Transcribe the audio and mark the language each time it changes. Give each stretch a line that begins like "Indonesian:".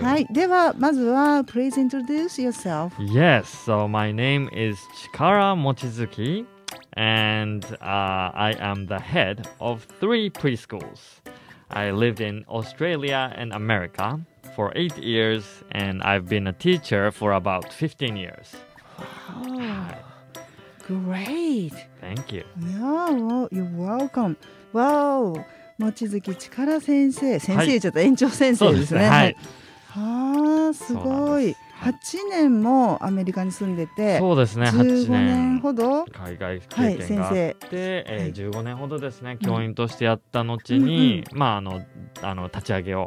Japanese: はい、ではまずは
English: Please introduce yourself. Yes, so my name is Chikara Mochizuki and、I am the head of three preschools. I lived in Australia and America for 8 years and I've been a teacher for about 15 years. Wow. Great. Thank you. Yeah, well, you're welcome.
Japanese: Wow, Mochizuki Chikara 先生、先生、ちょっと園長先生ですね。はい。あ、すごい。 8年もアメリカに住んでて、そうですね、 15年ほど海外経験があって、はい、15年ほどですね、教員としてやった後に、うん、まあ、あの立ち上げを、